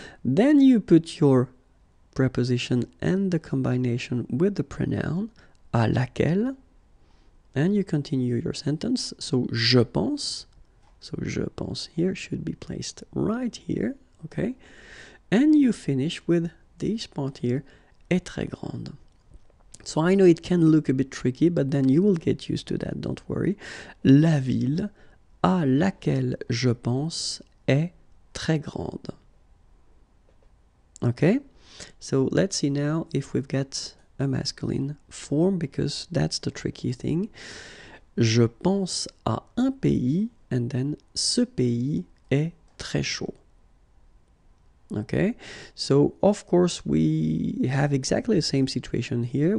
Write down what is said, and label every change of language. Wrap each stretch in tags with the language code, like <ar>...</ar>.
<en>Then you put your preposition and the combination with the pronoun à laquelle, and you continue your sentence. So</en> <fr>je pense</fr> <en>here should be placed right here, okay? And you finish with this part here,</en> <fr>est très grande.</fr> <en>So I know it can look a bit tricky, but then you will get used to that, don't worry.</en> <fr>La ville à laquelle je pense est très grande.</fr> <en>Okay? So let's see now if we've got a masculine form, because that's the tricky thing.</en> <fr>Je pense à un pays,</fr> <en>and then</en> <fr>ce pays est très chaud.</fr> <en>Okay, so of course we have exactly the same situation here.</en>